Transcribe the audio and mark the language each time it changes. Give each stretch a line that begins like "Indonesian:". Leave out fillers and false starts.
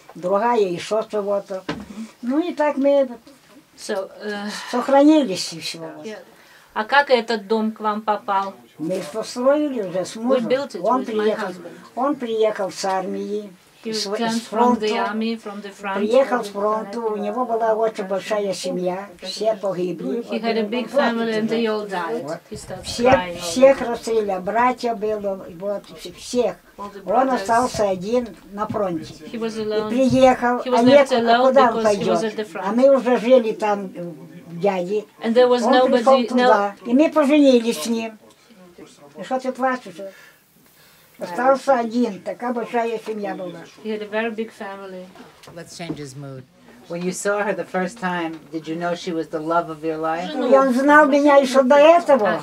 Russian: Другая, еще чего-то. Ну и так мы сохранились и все. А как этот дом к вам попал? Мы построили уже с мужем. Он приехал с армии. Приехал с фронта, у него была очень большая семья, все погибли.
English: He had a big family and they all died.
Russian: Всех расстреляли, братья было, вот всех. Он остался один на фронте. И приехал, а некуда, куда он пойдет? А мы уже жили там, дяди.
English: And there was nobody.
Russian: Он пришел туда, и мы поженились с ним. И что ты плачешь? Остался один, такая большая семья была.
English: He had a very big family. Let's change his mood. When you saw her the first time, did you know she was the love of your life?
Russian: И он знал меня еще до этого.